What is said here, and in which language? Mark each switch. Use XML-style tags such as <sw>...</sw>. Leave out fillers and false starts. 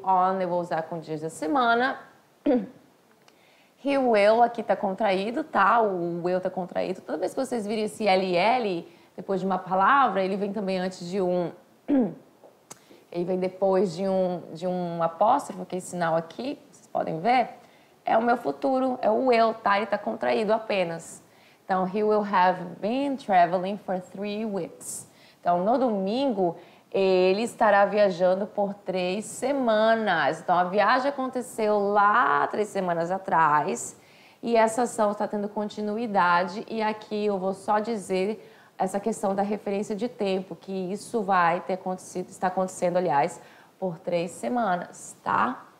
<pt>On, eu vou usar com dias da semana.</pt> <en>He will,</en> <pt>aqui tá contraído, tá? O will tá contraído. Toda vez que vocês virem esse LL, depois de uma palavra, ele vem também antes de um... Ele vem depois de um apóstrofo, que é esse sinal aqui, vocês podem ver. É o meu futuro, é o will, tá? Ele tá contraído apenas. Então,</pt> <en>he will have been traveling for 3 weeks.</en> <pt>Então, no domingo, ele estará viajando por 3 semanas. Então, a viagem aconteceu lá 3 semanas atrás e essa ação está tendo continuidade. E aqui eu vou só dizer essa questão da referência de tempo, que isso vai ter acontecido, está acontecendo, aliás, por 3 semanas, tá?</pt>